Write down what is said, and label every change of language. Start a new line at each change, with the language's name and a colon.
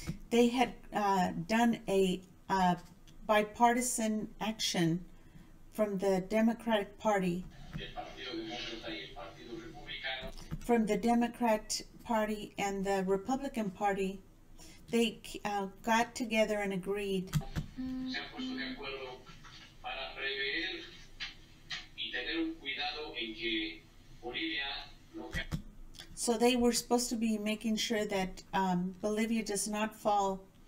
English: They had done a bipartisan action from the Democratic Party.
Spanish: El Partido Demócrata y el Partido Republicano.
English: From the Democrat Party and the Republican Party. They got together and agreed.
Spanish: Se han puesto de acuerdo para prever y tener un cuidado en que Bolivia no cae.
English: So they were supposed to be making sure that Bolivia does not fall